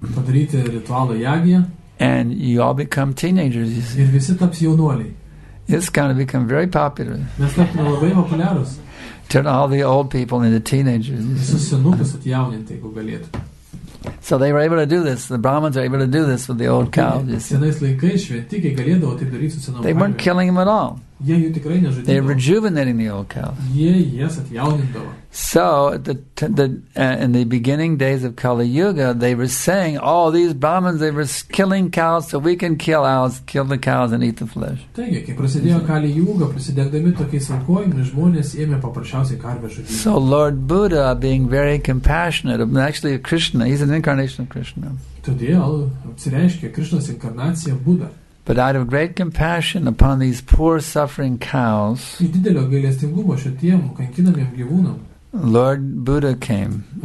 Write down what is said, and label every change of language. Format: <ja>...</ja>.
<lt>Padaryti ritualą yagya.</lt> <en>And you all become teenagers, you see.</en> <lt>Ir visi taps jaunuoliai.</lt> <en>It's going to become very popular.</en> <lt>Mes tapsime labai populiarūs.</lt> <en>Turn all the old people into teenagers.</en> <lt>Visus senukus atjauninti, jeigu galėtų.</lt> <en>So they were able to do this. The Brahmins are able to do this with the old cows.</en> <lt>Senais laikais šventikai galėdavo taip daryti su senom karvėm.</lt> <en>They weren't killing them at all.</en> <lt>Jie jų tikrai nežudydavo.</lt> <en>They're rejuvenating the old cows.</en> <lt>Jie jas atjaunindavo.</lt> <en>So in the beginning days of Kali Yuga, they were saying, "Oh, these Brahmins, they were killing cows, so we can kill ours, kill the cows and eat the flesh."</en> <lt>Taigi, kai prasidėjo Kali Yuga, prasidėdami tokiais aukojimais, žmonės ėmė paprasčiausiai karvę žudyti.</lt> <en>So Lord Buddha, being very compassionate, actually Krishna, he's an incarnation of Krishna.</en> <lt>Todėl apsireiškė Krishnas inkarnacija Buddha.</lt> <en>But out of great compassion upon these poor suffering cows, Lord Buddha came.</en>